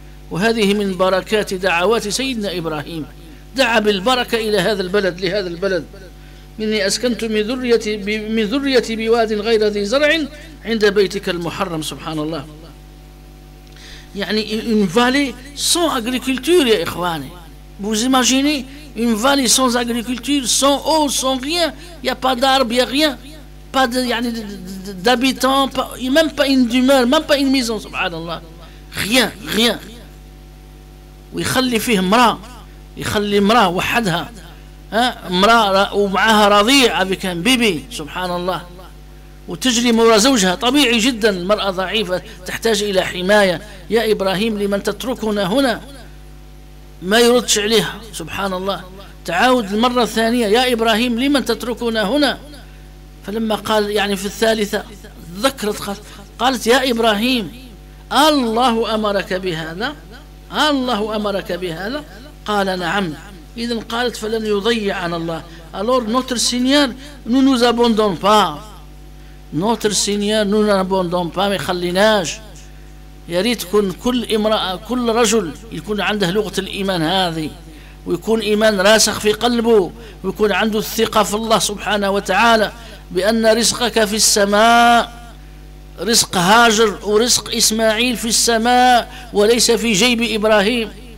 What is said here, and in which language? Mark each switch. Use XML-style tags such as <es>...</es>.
<ar>وهذه من بركات دعوات سيدنا إبراهيم، دعا بالبركة إلى هذا البلد، لهذا البلد: إني أسكنت من ذريتي بواد غير ذي زرع عند بيتك المحرم. سبحان الله، يعني</ar> <fr>une vallée sans agriculture</fr> <ar>يا إخواني.</ar> <fr>Vous imaginez une vallée sans agriculture, sans eau, sans rien. Il y a pas d'arbre, il y a rien. Pas de, يعني d'habitants, même pas une demeure, même pas une maison.</fr> <ar>سبحان الله. Rien. ويخلي فيه امراه، يخلي امراه وحدها، ها امراه ومعها رضيع كان بيبي. سبحان الله، وتجري مورا زوجها. طبيعي جدا، المراه ضعيفه تحتاج الى حمايه. يا ابراهيم لمن تتركنا هنا ما يردش عليها. سبحان الله، تعاود المره الثانيه: يا ابراهيم لمن تتركنا هنا. فلما قال يعني في الثالثه ذكرت، قالت: يا ابراهيم الله امرك بهذا؟ الله أمرك بهذا؟ قال: نعم. إذن قالت: فلن يضيعنا الله.</ar> <fr>Alors notre Seigneur ne nous abandonne pas. Notre Seigneur ne nous abandonne pas.</fr> <ar>ما يخليناش. يريد تكون كل امرأة، كل رجل يكون عنده لغة الإيمان هذه، ويكون إيمان راسخ في قلبه، ويكون عنده الثقة في الله سبحانه وتعالى بأن رزقك في السماء، رزق هاجر ورزق إسماعيل في السماء وليس في جيب إبراهيم.</ar>